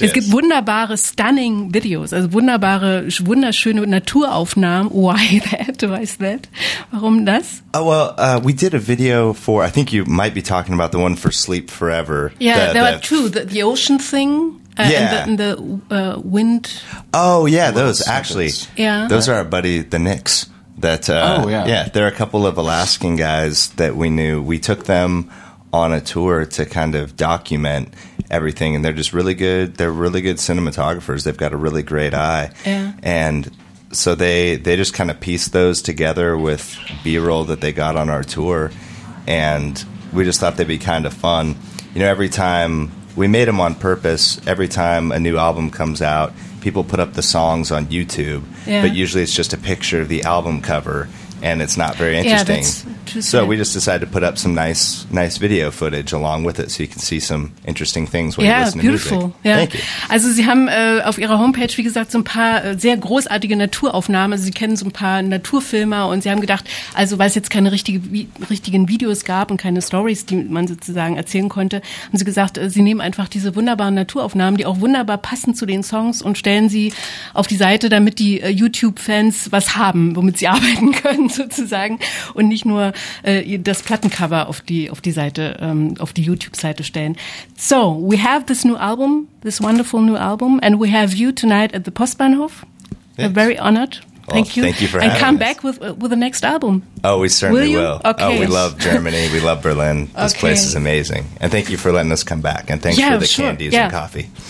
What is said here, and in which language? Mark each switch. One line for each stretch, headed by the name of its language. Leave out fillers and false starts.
German: es gibt wunderbare, stunning videos, also wunderbare, wunderschöne Naturaufnahmen.
English: Why is that?
German: Warum das?
English: Oh, well, we did a video for, I think you might be talking about the one for Sleep Forever. Yeah, there are two, the ocean thing. Yeah. And the wind. Oh, yeah, those, actually. Yeah. Those are our buddy, the Knicks. They're a couple of Alaskan guys that we knew. We took them on a tour to kind of document everything, and they're just really good. They're really good cinematographers. They've got a really great eye. Yeah. And so they just kind of pieced those together with B-roll that they got on our tour, and we just thought they'd be kind of fun. You know, every time... We made them on purpose. Every time a new album comes out, people put up the songs on YouTube, but usually it's just a picture of the album cover, and it's not very interesting. Yeah, that's true. So we just decided to put up some nice video footage along with it, so you can see some interesting things when you listen beautiful. To music. Yeah. Thank you.
German: Also Sie haben auf Ihrer Homepage, wie gesagt, so ein paar sehr großartige Naturaufnahmen. Also Sie kennen so ein paar Naturfilmer, und Sie haben gedacht, also weil es jetzt keine richtigen Videos gab und keine Stories, die man sozusagen erzählen konnte, haben Sie gesagt, Sie nehmen einfach diese wunderbaren Naturaufnahmen, die auch wunderbar passen zu den Songs, und stellen sie auf die Seite, damit die YouTube-Fans was haben, womit sie arbeiten können. Sozusagen, und nicht nur das Plattencover auf die YouTube-Seite stellen.
English: So, we have this new album, this wonderful new album, and we have you tonight at the Postbahnhof. Yes. I'm very honored. Well, thank you. Thank you for and having come us. Back with the next album. Oh, we certainly will. Okay. Oh, we love Germany. We love Berlin. This okay. place is amazing. And thank you for letting us come back. And thanks for the candies and coffee.